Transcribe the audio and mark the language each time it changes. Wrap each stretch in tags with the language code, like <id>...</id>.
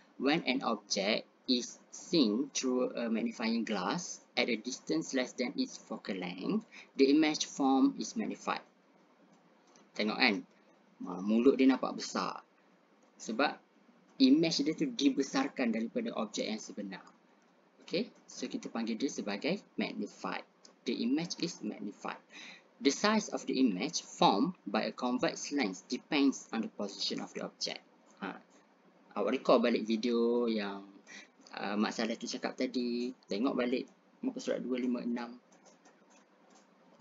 <en>When an object is seen through a magnifying glass at a distance less than its focal length, the image form is magnified.</en> <ms>Tengok kan? Mulut dia nampak besar. Sebab image dia tu dibesarkan daripada objek yang sebenar. Okay? So, kita panggil dia sebagai magnified.</ms> <en>The image is magnified. The size of the image formed by a convex lens depends on the position of the object.</en> <ms>Awak recall balik video yang masalah tu cakap tadi, tengok balik muka surat 256.</ms>